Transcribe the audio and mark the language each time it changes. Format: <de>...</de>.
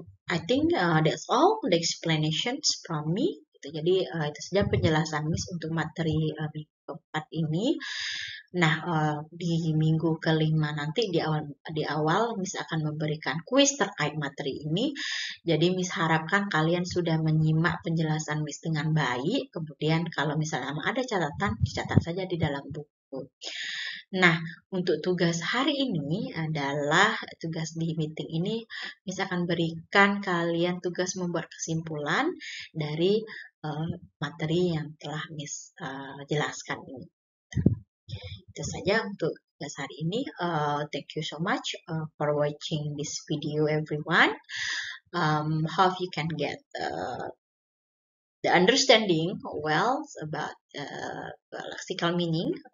<en>I think that's all the explanations from me.</en> <id>Gitu. Jadi itu saja penjelasan Miss untuk materi minggu keempat ini. Nah, di minggu kelima nanti di awal Miss akan memberikan kuis terkait materi ini. Jadi Miss harapkan kalian sudah menyimak penjelasan Miss dengan baik. Kemudian kalau misalnya ada catatan, dicatat saja di dalam buku. Nah, untuk tugas hari ini adalah tugas di meeting ini, misalkan berikan kalian tugas membuat kesimpulan dari materi yang telah Miss jelaskan ini. Itu saja untuk tugas hari ini.</id> <en>Thank you so much for watching this video, everyone. Hope you can get the understanding well about lexical meaning.</en>